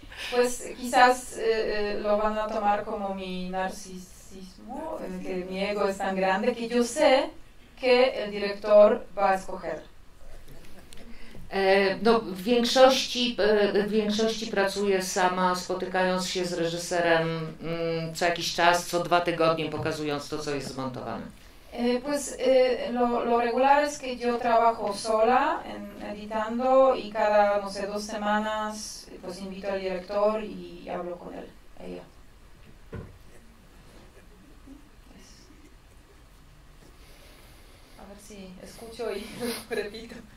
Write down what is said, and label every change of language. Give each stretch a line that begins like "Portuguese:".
Spanish: Pues quizás lo van a tomar como mi narcisismo, que mi ego es tan grande, que yo sé que el director va a escoger.
Polish: No, w większości pracuję sama, spotykając się z reżyserem co jakiś czas, co dwa tygodnie, pokazując to, co jest zmontowane.
Spanish: Pues lo regular es que yo trabajo sola editando y cada, no sé, dos semanas pues invito al director y hablo con él, ella. Pues, a ver si escucho y repito.